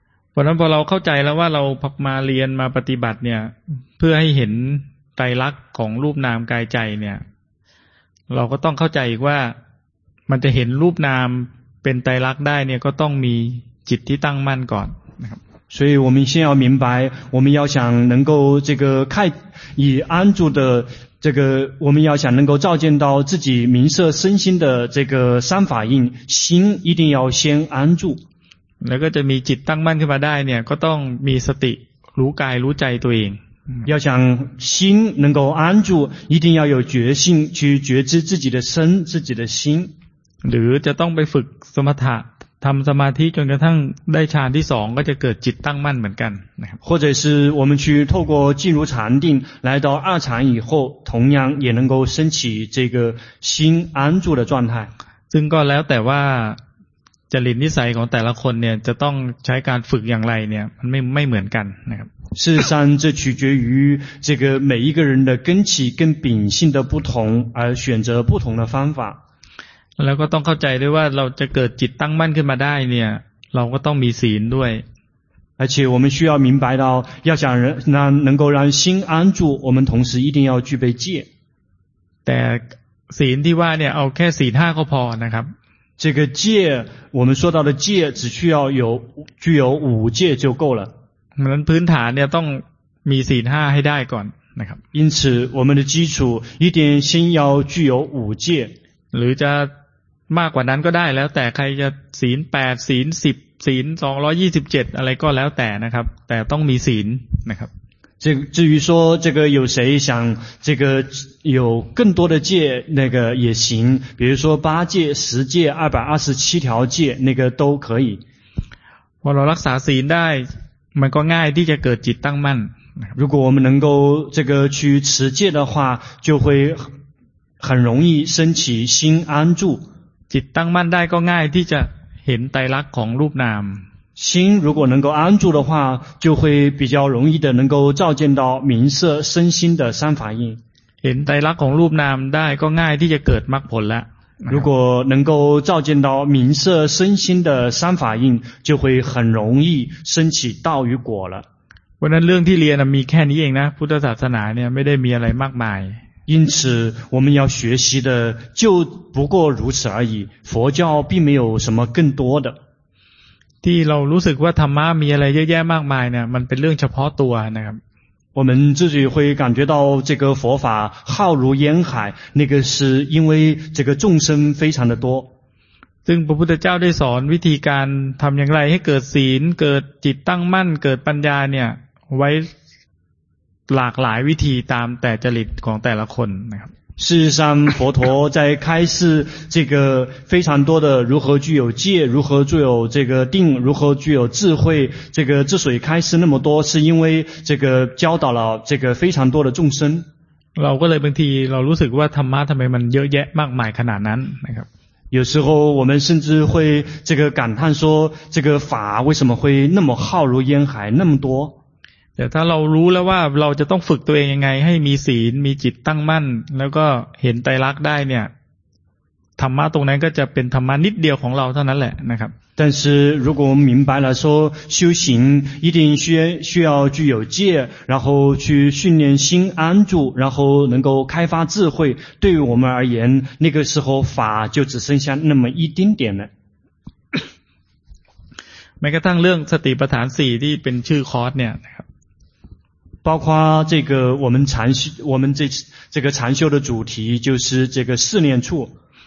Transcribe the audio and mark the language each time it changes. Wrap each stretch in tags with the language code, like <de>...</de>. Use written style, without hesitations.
<th>เพราะนั้นพอเราเข้าใจแล้วว่าเรามาเรียนมาปฏิบัติเนี่ยเพื่อให้เห็นไตรลักษณ์ของรูปนามกายใจเนี่ยเราก็ต้องเข้าใจว่ามันจะเห็นรูปนามเป็นไตรลักษณ์ได้เนี่ยก็ต้องมีจิตที่ตั้งมั่นก่อนนะครับ</th> <zh>所以我们先要明白我们要想能够这个看以安住的这个我们要想能够照见到自己名色身心的这个三法印心一定要先安住</zh> <th>แล้วก็จะมีจิตตั้งมั่นขึ้นมาได้เนี่ยก็ต้องมีสติรู้กายรู้ใจตัวเอง</th> <zh>要想心能够安住一定要有觉性去觉知自己的身自己的心</zh> <th>หรือจะต้องไปฝึกสมถะทำสมาธิจนกระทั่งได้ฌานที่สองก็จะเกิดจิตตั้งมั่นเหมือนกันนะครับ</th> <zh>或者是我们去透过进入禅定来到二禅以后同样也能够升起这个心安住的状态</zh> <th>ซึ่งก็แล้วแต่ว่าจริตนิสัยของแต่ละคนเนี่ยจะต้องใช้การฝึกอย่างไรเนี่ยมันไม่เหมือนกันนะครับ</th> <zh>事实上这取决于这个每一个人的根器跟秉性的不同而选择不同的方法</zh> <th>แล้วก็ต้องเข้าใจด้วยว่าเราจะเกิดจิตตั้งมั่นขึ้นมาได้เนี่ยเราก็ต้องมีศีลด้วย</th> <zh>而且我们需要明白到要想能够让心安住我们同时一定要具备戒</zh> <th>แต่ศีลที่ว่าเนี่ยเอาแค่ศีล5ก็พอนะครับ</th> <zh>这个戒我们说到的戒只需要有具有五戒就够了</zh> <th>เพราะฉะนั้นพื้นฐานเนี่ยต้องมีศีล5ให้ได้ก่อนนะครับ</th> <zh>因此我们的基础一定先要具有五戒</zh> <th>หรือจะมากกว่านั้นก็ได้แล้วแต่ใครจะศีล8ศีล10ศีล227อะไรก็แล้วแต่นะครับแต่ต้องมีศีลนะครับ</th> <zh>至于说这个有谁想这个有更多的戒那个也行比如说8戒10戒227条戒那个都可以</zh> <th>พอเรารักษาศีลได้มันก็ง่ายที่จะเกิดจิตตั้งมั่น</th> <zh>如果我们能够这个去持戒的话就会很容易升起心安住</zh> <th>จิตตั้งมั่นได้ก็ง่ายที่จะเห็นไตรลักษณ์ของรูปนาม</th> <zh>心如果能够安住的话就会比较容易的能够照见到名色身心的三法印</zh> <th>เห็นไตรลักษณ์ของรูปนามได้ก็ง่ายที่จะเกิดมรรคผลแล้ว</th> <zh>如果能够照见到名色身心的三法印就会很容易升起道与果了</zh> <th>เพราะนั้นเรื่องที่เรียนมีแค่นี้เองนะพุทธศาสนาเนี่ยไม่ได้มีอะไรมากมาย</th> <zh>因此我们要学习的就不过如此而已佛教并没有什么更多的</zh> <th>ที่เรารู้สึกว่าธรรมะมีอะไรเยอะแยะมากมายเนี่ยมันเป็นเรื่องเฉพาะตัวนะครับ</th> <zh>我们自己会感觉到这个佛法浩如烟海，那个是因为这个众生非常的多。</zh> <th>ซึ่งพระพุทธเจ้าได้สอนวิธีการทำอย่างไรให้เกิดศีลเกิดจิตตั้งมั่นเกิดปัญญาเนี่ยไว้หลากหลายวิธีตามแต่จริตของแต่ละคนนะครับ</th> <zh>事实上佛陀在开示这个非常多的如何具有戒如何具有这个定如何具有智慧这个之所以开示那么多是因为这个教导了这个非常多的众生</zh> <th>เราก็เลยบางทีเรารู้สึกว่าธรรมะทำไมมันเยอะแยะมากมายขนาดนั้นนะครับ</th> <zh>有时候我们甚至会这个感叹说这个法为什么会那么浩如烟海那么多</zh> <th>แต่ถ้าเรารู้แล้วว่าเราจะต้องฝึกตัวเองยังไงให้มีศีลมีจิตตั้งมั่นแล้วก็เห็นไตรลักษณ์ได้เนี่ยธรรมะตรงนั้นก็จะเป็นธรรมะนิดเดียวของเราเท่านั้นแหละนะครับ</th> <zh>但是如果我们明白了说修行一定需要具有戒然后去训练心安住然后能够开发智慧对于我们而言那个时候法就只剩下那么一丁点了</zh> <th>แม้กระทั่งเรื่องสติปัฏฐาน4ที่เป็นชื่อคอร์สเนี่ยนะครับ</th> <zh>包括这个我们这个禅修的主题就是这个四念处</zh>